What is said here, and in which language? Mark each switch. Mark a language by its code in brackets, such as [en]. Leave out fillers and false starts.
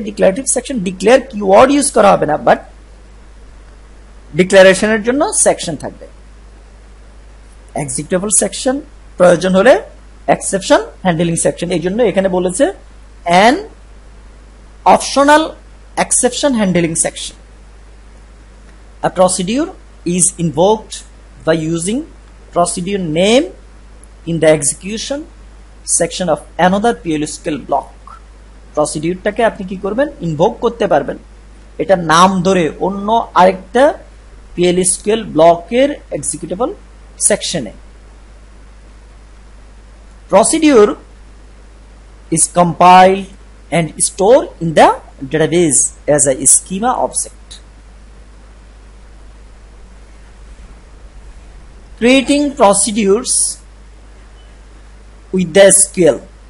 [bn] Declarative section, declare keyword use করা হবে না, বাট ডিক্লারেশনের জন্য সেকশন থাকবে, এক্সিকিউটেবল সেকশন, প্রয়োজন হলে এক্সেপশন হ্যান্ডেলিং সেকশন। এই জন্য এখানে বলেছে [en] An optional exception handling section. A procedure is invoked by using procedure name in the execution section of another PLSQL block. [bn] Procedure টাকে আপনি কি করবেন, invoke করতে পারবেন এটা নাম ধরে অন্য আরেকটা PLSQL ব্লকের executable সেকশনে। [en] Procedure is compiled and stored in the database as a schema object. Creating procedures with the SQL.